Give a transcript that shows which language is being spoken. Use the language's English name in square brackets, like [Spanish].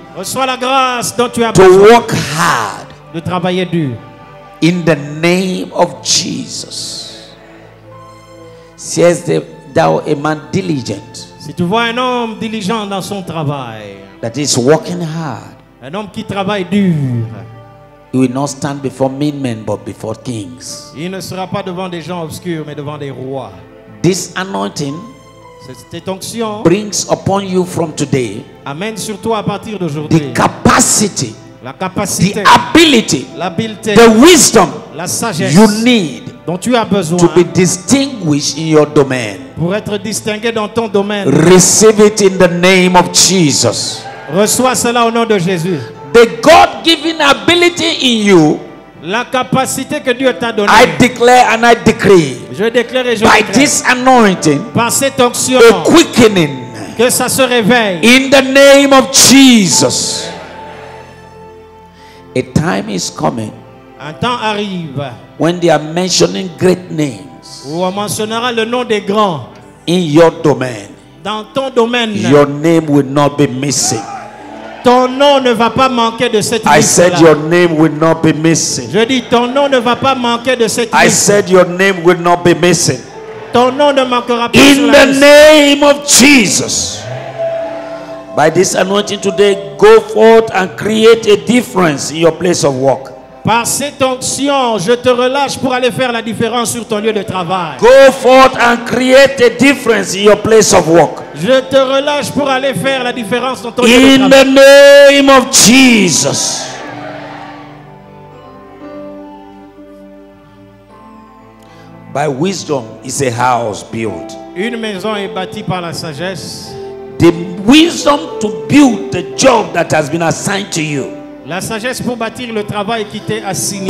[French] reçois la grâce dont tu as [English] to [French] besoin, [English] to work hard, [French] de travailler dur. [English] In the name of Jesus. Si es de, thou a man diligent. [French] Si tu vois un homme diligent dans son travail. [English] That is working hard. [French] Un homme qui travaille dur. [English] He will not stand before mean men but before kings. [French] Il ne sera pas devant des gens obscurs mais devant des rois. [English] This anointing. [French] Cette onction [English] brings upon you from today [French] amène sur toi à partir d'aujourd'hui [English] the capacity, [French] la capacité, [English] the ability, [French] l'habileté, [English] the wisdom, [French] la sagesse [English] you need [French] dont tu as besoin [English] to be distinguished in your domain. [French] Pour être distingué dans ton domaine. [English] Receive it in the name of Jesus. [French] Reçois cela au nom de Jésus. [English] The God-given ability in you. [French] La capacité que Dieu t'a donnée. [English] I declare and I decree. [French] Je déclare et je [English] by [French] décrète. [English] By this anointing. [French] Par cette onction. [English] The quickening. [French] Que ça se réveille. [English] In the name of Jesus. A time is coming. [French] Un temps arrive. [English] When they are mentioning great names. [French] Où on mentionnera le nom des grands. [English] In your domain. [French] Dans ton domaine. [English] Your name will not be missing. [French] Ton nom ne va pas manquer de cette liste. [English] I said your name will not be missing. [French] Je dis ton nom ne va pas manquer de cette liste. [English] I said your name will not be missing. [French] Ton nom ne manquera pas. [English] In the name of Jesus. By this anointing today, go forth and create a difference in your place of work. [French] Par cette onction, je te relâche pour aller faire la différence sur ton lieu de travail. [English] Go forth and create a difference in your place of work. [French] Je te relâche pour aller faire la différence dans ton [English] in [French] lieu de travail. [English] In the name of Jesus. By wisdom is a house built. [French] Une maison est bâtie par la sagesse. [English] The wisdom to build the job that has been assigned to you. [French] La sagesse pour bâtir le travail qui t'est assigné.